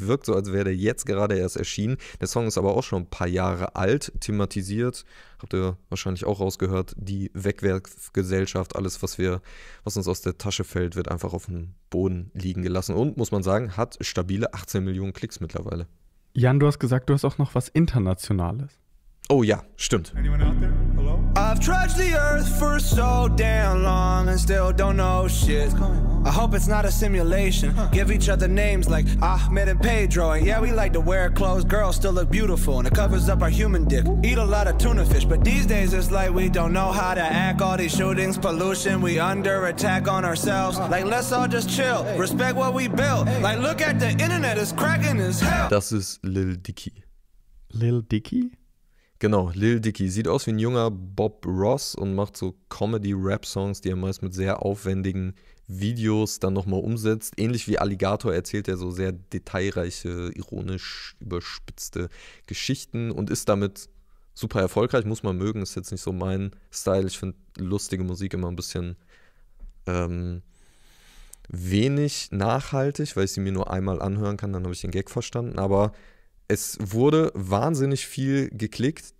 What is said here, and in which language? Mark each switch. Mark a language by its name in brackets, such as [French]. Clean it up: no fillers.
[German] Wirkt so, als wäre der jetzt gerade erst erschienen. Der Song ist aber auch schon ein paar Jahre alt, thematisiert, habt ihr wahrscheinlich auch rausgehört, die Wegwerfgesellschaft, alles, was uns aus der Tasche fällt, wird einfach auf dem Boden liegen gelassen. Und, muss man sagen, hat stabile 18 Millionen Klicks mittlerweile. Jan, du hast gesagt, du hast auch noch was Internationales. Oh ja, stimmt. [English] I've trudged the earth for so damn long and still don't know shit. I hope it's not a simulation. Give each other names like Ahmed and Pedro. And yeah, we like to wear clothes. Girls still look beautiful and it covers up our human dick. Eat a lot of tuna fish, but these days it's like we don't know how to act. All these shootings, pollution, we under attack on ourselves. Like, let's all just chill, respect what we built. Like, look at the internet, it's cracking as hell. [German] Das ist Lil Dicky. Lil Dicky? Genau, Lil Dicky sieht aus wie ein junger Bob Ross und macht so Comedy-Rap-Songs, die er meist mit sehr aufwendigen Videos dann nochmal umsetzt. Ähnlich wie Alligator erzählt er so sehr detailreiche, ironisch überspitzte Geschichten und ist damit super erfolgreich, muss man mögen, ist jetzt nicht so mein Style. Ich finde lustige Musik immer ein bisschen wenig nachhaltig, weil ich sie mir nur einmal anhören kann, dann habe ich den Gag verstanden, aber es wurde wahnsinnig viel geklickt.